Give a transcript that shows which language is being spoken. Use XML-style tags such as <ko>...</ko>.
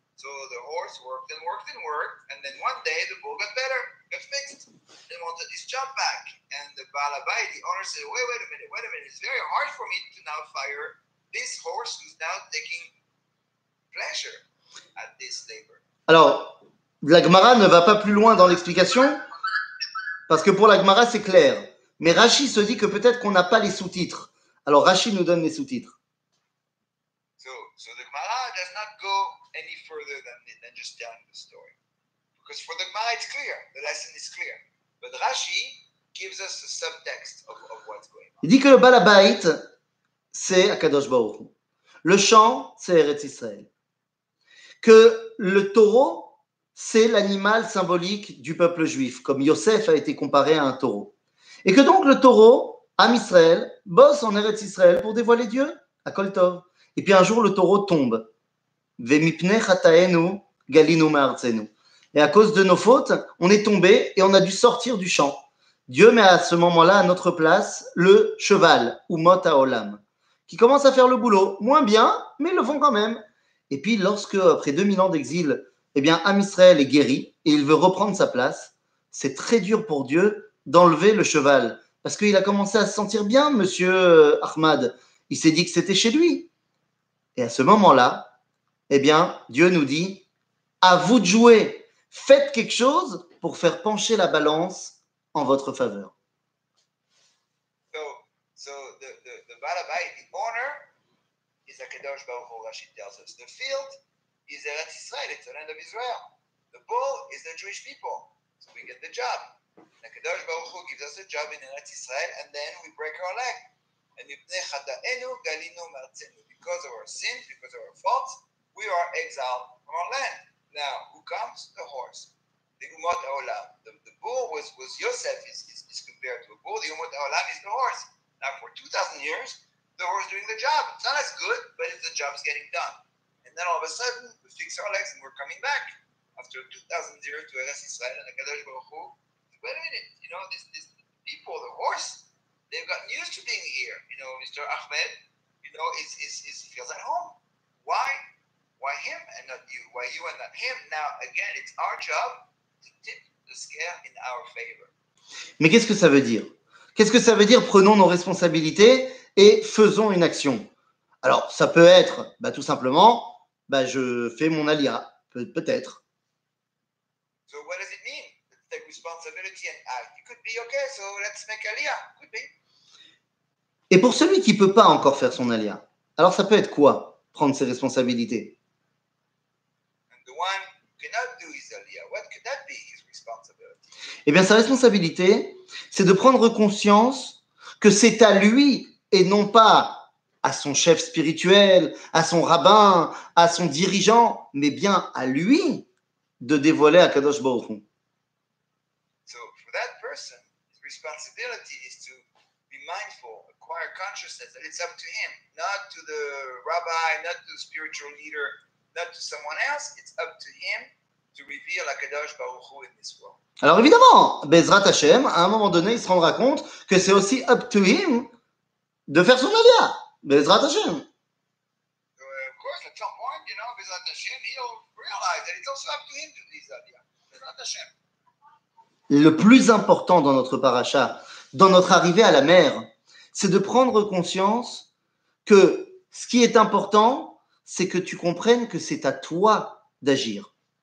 <en>So the horse worked and worked and worked, and then one day the bull got better, got fixed, and wanted his job back. And the Balabai, the owner, said, wait a minute, it's very hard for me to now fire this horse is now taking pleasure at this labor.</en> <fr>Alors, la Gemara ne va pas plus loin dans l'explication, parce que pour la Gemara, c'est clair. Mais Rashi se dit que peut-être qu'on n'a pas les sous-titres. Alors, Rashi nous donne les sous-titres.</fr> <en>So the Gemara does not go any further than just telling the story. Because for the Gemara, it's clear. The lesson is clear. But Rashi gives us a subtext of what's going on.</en> <fr>Il dit que le Balabait, c'est Akadosh Baruch Hu. Le champ, c'est Eretz Israël. Que le taureau, c'est l'animal symbolique du peuple juif, comme Yosef a été comparé à un taureau. Et que donc le taureau, Am Israël, bosse en Eretz Israël pour dévoiler Dieu, à Kol Tov. Et puis un jour, le taureau tombe.</fr> <he>Vemipne chataenu galinu me'artzenu.</he> <fr>Et à cause de nos fautes, on est tombé et on a dû sortir du champ. Dieu met à ce moment-là à notre place le cheval, ou mot haolam, qui commence à faire le boulot, moins bien, mais ils le font quand même. Et puis, lorsque, après 2000 ans d'exil, eh bien, Am Israël est guéri et il veut reprendre sa place, c'est très dur pour Dieu d'enlever le cheval parce qu'il a commencé à se sentir bien, monsieur Ahmad. Il s'est dit que c'était chez lui. Et à ce moment-là, eh bien, Dieu nous dit, à vous de jouer, faites quelque chose pour faire pencher la balance en votre faveur.</fr> <en>So the Balabai, the owner, is a Kadosh Baruch Hu, Rashid tells us. The field is Eretz Israel, it's the land of Israel. The bull is the Jewish people. So we get the job. The Kadosh Baruch Hu gives us a job in Eretz Israel, and then we break our leg. And</en> <he>Mipnei Chataenu Galinu Me'artzenu.</he> <en>Because of our sins, because of our faults, we are exiled from our land. Now, who comes? The horse. The Umot Ha'olam. The bull was Yosef, is compared to a bull. The Umot Ha'olam is the horse. Now, for 2,000 years, the horse is doing the job. It's not as good, but the job is getting done. And then all of a sudden, we fix our legs and we're coming back after 2,000 years to Eretz Yisrael and the Kadosh Baruch Hu. Wait a minute, you know, this people, the horse, they've gotten used to being here. You know, Mr. Ahmed, you know, he feels at home. Why him and not you? Why you and not him? Now, again, it's our job to tip the scale in our favor.</en> <fr>Mais qu'est-ce que ça veut dire? Qu'est-ce que ça veut dire « prenons nos responsabilités et faisons une action » ? Alors, ça peut être bah, tout simplement bah, « je fais mon alia », peut-être.</fr> <en>So what does it mean? Take responsibility and act. It could be okay, so let's make alia. Could be.</en> <fr>Et pour celui qui ne peut pas encore faire son alia, alors ça peut être quoi, prendre ses responsabilités ?</fr> <en>And the one who cannot do his alia, what could that be, his responsibility?</en> <fr>Eh bien, sa responsabilité, c'est de prendre conscience que c'est à lui et non pas à son chef spirituel, à son rabbin, à son dirigeant, mais bien à lui de dévoiler à Kadosh Baruch Hu.</fr> <en>So for that person, his responsibility is to be mindful, acquire consciousness that it's up to him, not to the rabbi, not to the spiritual leader, not to someone else, it's up to him to reveal à Kadosh Baruch Hu in this world.</en> <fr>Alors évidemment, Bezrat Hashem, à un moment donné, il se rendra compte que c'est aussi</fr> <en>up to him</en> <fr>de faire son alia.</fr> <he>Bezrat Hashem.</he> <en>Of course, at some point, you know, Bezrat Hashem, he'll realize that it's also up to him to do his alia.</en> <he>Bezrat Hashem.</he> <fr>Le plus important dans notre paracha, dans notre arrivée à la mer, c'est de prendre conscience que ce qui est important, c'est que tu comprennes que c'est à toi d'agir.</fr>